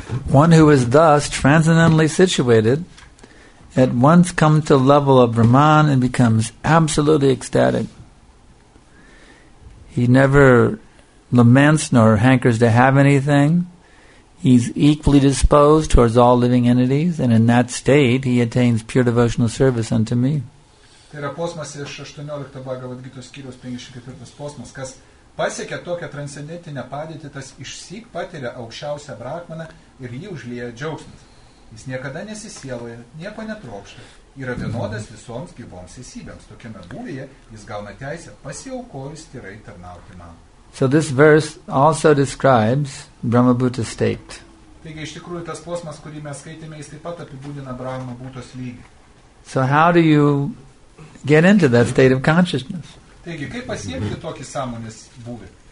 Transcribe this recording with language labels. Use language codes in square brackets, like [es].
[en] One who is thus transcendentally situated at once comes to the level of Brahman and becomes absolutely ecstatic. He never laments nor hankers to have anything. He's equally disposed towards all living entities, and in that state, he attains pure devotional service unto me. [lt] Tai yra posmas iš 18 Bhagavad Gitos skyriaus 54 posmas. Kas pasiekia tokią transcendentinę padėtį, tas išsyk patiria aukščiausią brahmaną ir jį užlieja džiaugsmas. Jis niekada nesisieloja, nieko netrokšta, yra vienodas visoms gyvoms esybėms. Tokiame būvyje jis gauna teisę pasiaukojus tyrai tarnauti man. [en] So this verse also describes Brahmabhuta's state. [lt] Taigi, iš tikrųjų, tas posmas, kurį mes skaitėme, jis taip pat apibūdina Brahmabhutos lygį. [en] So how do you get into that state of consciousness? [lt] Taigi, kaip pasiekti tokį sąmonės būvį?